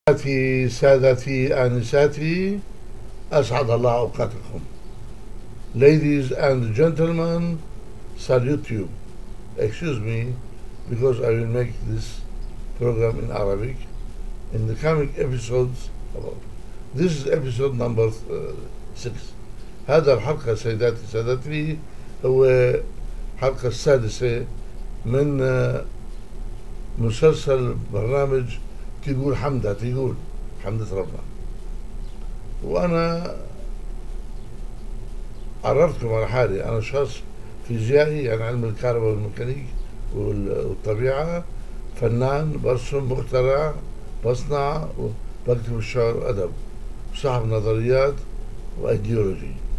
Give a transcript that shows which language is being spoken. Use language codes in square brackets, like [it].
[ar] سادتي سادتي أنساتي أسعد الله أوقاتكم. [en] Ladies and gentlemen, salute you. Excuse me, because I will make this program in Arabic. In the coming episodes, this is episode number 6. [ar] هذا الحلقة سيداتي سادتي هو الحلقة السادسة من مسلسل برنامج تقول حمدة تقول حمدة ربنا. وأنا عرفتكم على حالي، أنا شخص فيزيائي يعني علم الكهرباء والميكانيك والطبيعة، فنان برسم مخترع بصنع وبكتب الشعر وأدب وصاحب نظريات وأيديولوجي.